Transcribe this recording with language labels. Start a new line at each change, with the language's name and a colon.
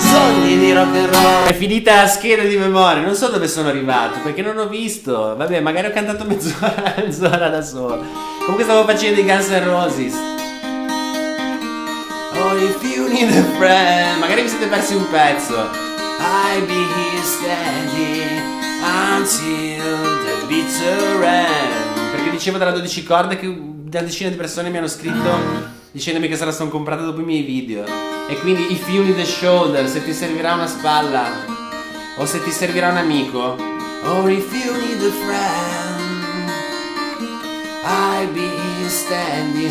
Italian: sogni di rock and roll. È finita la scheda di memoria, non so dove sono arrivato, perché non ho visto. Vabbè, magari ho cantato mezz'ora da solo. Comunque stavo facendo i Guns N' Roses.
English: Oh, if you need a friend.
Italian: Magari vi siete persi un pezzo.
English: I'll be here standing until the bitter end.
Italian: Perché dicevo dalla 12 corde che da decine di persone mi hanno scritto dicendomi che se la sono comprata dopo i miei video. E quindi
English: if you need a shoulder,
Italian: se ti servirà una spalla o se ti servirà un amico.
English: Or if you need a friend, I'll be here standing.